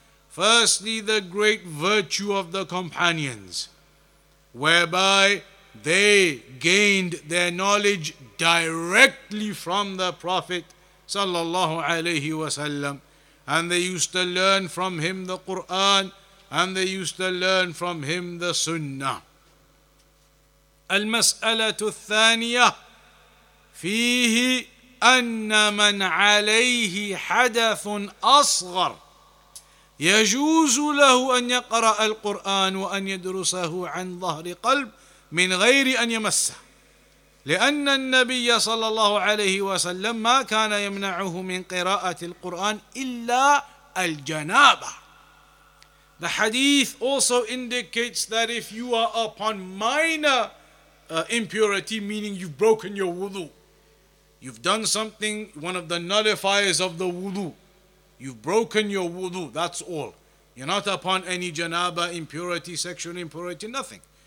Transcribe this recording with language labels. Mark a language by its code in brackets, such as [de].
[en] Firstly, the great virtue of the companions, whereby they gained their knowledge directly from the Prophet sallallahu alayhi wasallam, and they used to learn from him the Quran, and they used to learn from him the Sunnah. [ar] المسألة الثانية فيه أن من عليه حدث أصغر يجوز له أن يقرأ القرآن وأن يدرسه عن ظهر قلب من غير أن يمسه، لأن النبي صلى الله عليه وسلم ما كان يمنعه من قراءة القرآن إلا الجنابة. [en] The hadith also indicates that if you are upon minor impurity, meaning you've broken your wudu, you've done something, one of the nullifiers of the wudu, you've broken your wudu, that's all. You're not upon any janaba, impurity, sexual impurity, nothing.